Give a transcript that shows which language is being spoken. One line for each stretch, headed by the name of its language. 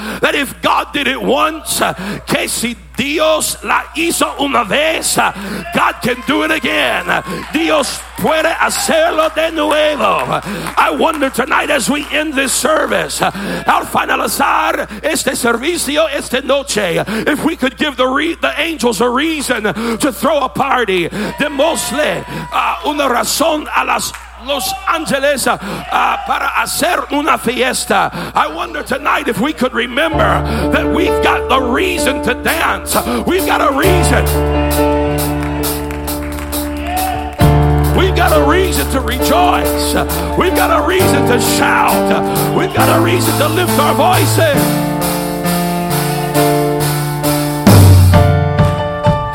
English: That if God did it once,
Spanish: que si Dios la hizo una vez,
English: God can do it again.
Spanish: Dios puede hacerlo de nuevo.
English: I wonder tonight, as we end this service,
Spanish: al finalizar este servicio esta noche,
English: if we could give the angels a reason to throw a party.
Spanish: Demosle una razón a los ángeles para hacer una fiesta.
English: I wonder tonight if we could remember that we've got the reason to dance. We've got a reason. We've got a reason to rejoice. We've got a reason to shout. We've got a reason to lift our voices.